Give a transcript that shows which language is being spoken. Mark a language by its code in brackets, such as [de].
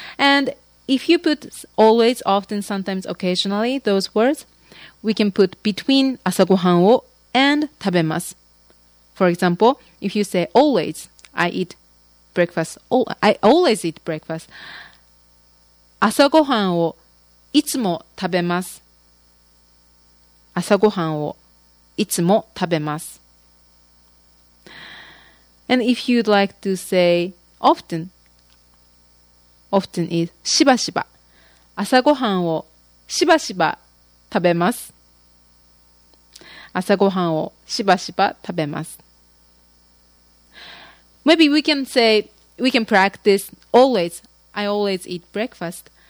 [en] And if you put always, often, sometimes, occasionally, those words, we can put between [ja] 朝ごはんを [en] and [ja] 食べます。 [en] For example, if you say always, I eat breakfast. I always eat breakfast. [ja] 朝ごはんをいつも食べます。朝ごはんをいつも食べます。 [en] And if you'd like to say often, often is [ja] しばしば。朝ごはんをしばしば食べます。朝ごはんをしばしば食べます。 [en] Maybe we can say, we can practice always. I always eat breakfast.